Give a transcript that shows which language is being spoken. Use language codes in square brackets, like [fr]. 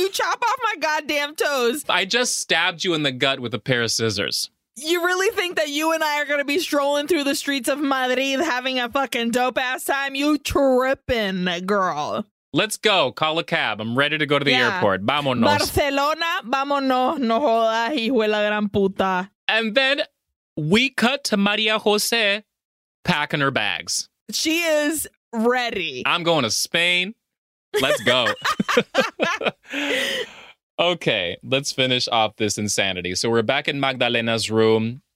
[en] You chop off my goddamn toes. I just stabbed you in the gut with a pair of scissors. You really think that you and I are going to be strolling through the streets of Madrid having a fucking dope ass time? You tripping, girl. Let's go. Call a cab. I'm ready to go to the airport. [es] Vámonos. Barcelona, vámonos. No joda, hijo de la gran puta. [en] And then we cut to Maria Jose packing her bags. She is ready. I'm going to Spain. Let's go. Okay, let's finish off this insanity. So we're back in Magdalena's room.